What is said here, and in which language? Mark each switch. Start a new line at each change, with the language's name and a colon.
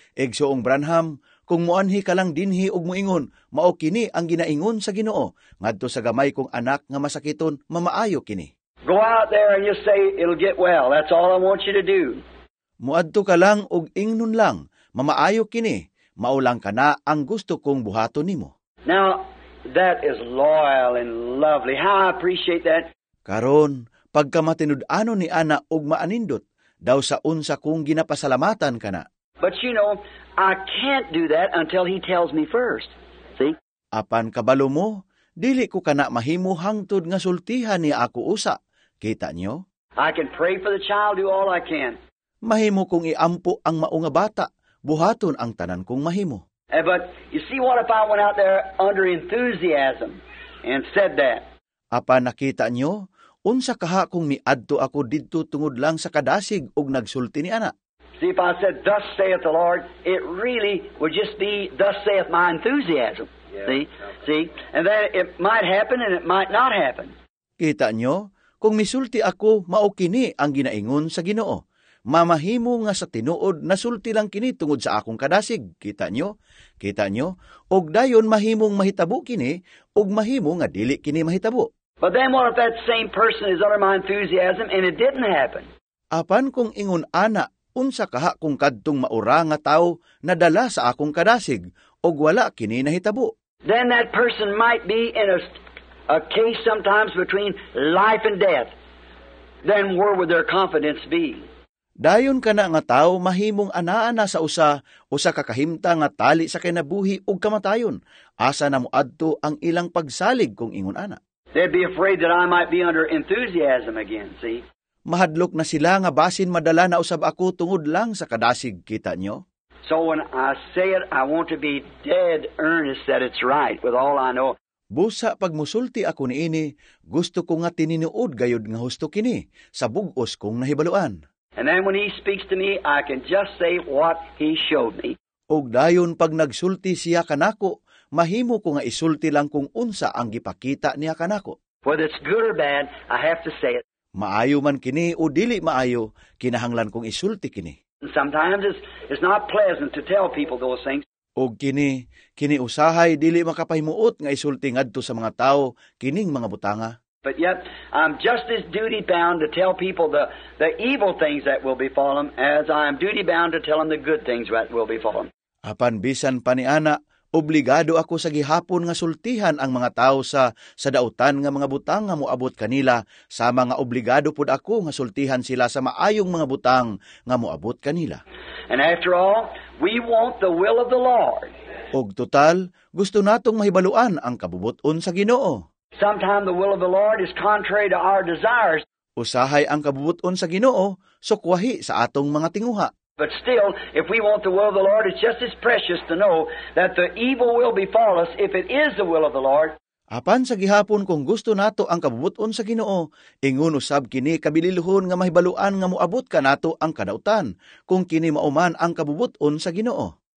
Cebuano: Egsoong Branham, kung muanhi ka lang dinhi og muingon, mao kini ang ginaingon sa Ginoo. Ngadto sa gamay kong anak nga masakiton, mamaayo kini.
English: Go out there and just say it'll get well. That's all I want you to do.
Cebuano: Muadto ka lang og ingnon lang, mamaayo kini. Mao lang kana ang gusto kong buhaton nimo.
English: Now that is loyal and lovely. How I appreciate that.
Cebuano: Karon, pagka matinud-ano ni ana og maanindot, daw sa unsa kong ginapasalamatan kana.
English: But you know, I can't do that until he tells me first. See?
Cebuano: Apan kabalo mo, dili ko kana mahimo hangtod nga sultihan ni ako usa. Kita nyo?
English: I can pray for the child, do all I can.
Cebuano: Mahimo kong iampo ang maunga bata, buhaton ang tanan kong mahimo.
English: But you see, what if I went out there under enthusiasm and said that?
Cebuano: Apan nakita nyo, unsa kaha kung miadto ako didto tungod lang sa kadasig og nagsulti ni ana?
English: See, if I said, Thus saith the Lord, it really would just be, Thus saith my enthusiasm. Yeah. See? Okay. See? And then it might happen and it might not happen.
Cebuano: Kita nyo, kung misulti ako, maukini ang ginaingon sa Ginoo. Mamahimo nga sa tinuod, nasulti lang kini tungod sa akong kadasig. Kita nyo? Kita nyo? Og dayon mahimong mahitabo kini, og mahimo nga dili kini mahitabo.
English: But then what if that same person is under my enthusiasm and it didn't happen?
Cebuano: Apan kung ingon ana, unsa kaha kung kadtong maura nga tao na dala sa akong kadasig, og wala kini nahitabo?
English: Then that person might be in a case sometimes between life and death. Then where would their confidence be?
Cebuano: Dayon kana nga tao mahimong anaana sa usa o sa kakahimta nga tali sa kinabuhi o kamatayon. Asa na muadto ang ilang pagsalig kung ingon ana?
English: They'd be afraid that I might be under enthusiasm again, see?
Cebuano: Mahadlok na sila nga basin madala na usab ako tungod lang sa kadasig, kita nyo?
English: So when I say it, I want to be dead earnest that it's right with all I know.
Cebuano: Busa pagmusulti ako niini, gusto ko nga tininuod gayod nga husto kini sa bugos kong nahibaluan.
English: And then when he speaks to me, I can just say what he showed me.
Cebuano: Og dayon pag nagsulti siya kanako, mahimo ko nga isulti lang kung unsa ang gipakita niya kanako.
English: Whether it's good or bad, I have to say it.
Cebuano: Maayo man kini o dili maayo, kinahanglan kong isulti kini.
English: And sometimes it's not pleasant to tell people those things.
Cebuano: Og kini usahay dili makapahimuot nga isulti ngadto sa mga tao kining mga butanga.
English: But yet, I'm just as duty-bound to tell people the evil things that will befall them as I am duty-bound to tell them the good things that will befall them.
Cebuano: Apan bisan pa ni ana, obligado ako sa gihapon nga sultihan ang mga tao sa dautan nga mga butang nga muabot kanila, sama nga obligado pud ako nga sultihan sila sa maayong mga butang nga muabot kanila.
English: And after all, we want the will of the Lord.
Cebuano: Og total, gusto natong mahibaluan ang kabubuton sa Ginoo.
English: Sometimes the will of the Lord is contrary to our desires.
Cebuano: Usahay ang kabubuton sa Ginoo, sukwahi sa atong mga tinguha.
English: But still, if we want the will of the Lord, it's just as precious to know that the evil will befall us if it is the will of the Lord.
Cebuano: Apan sa gihapon kung gusto nato ang kabubuton sa Ginoo, ingon usab kini kabililhon nga mahibaluan nga muabot ka nato ang kadautan kung kini mauman ang kabubuton sa Ginoo.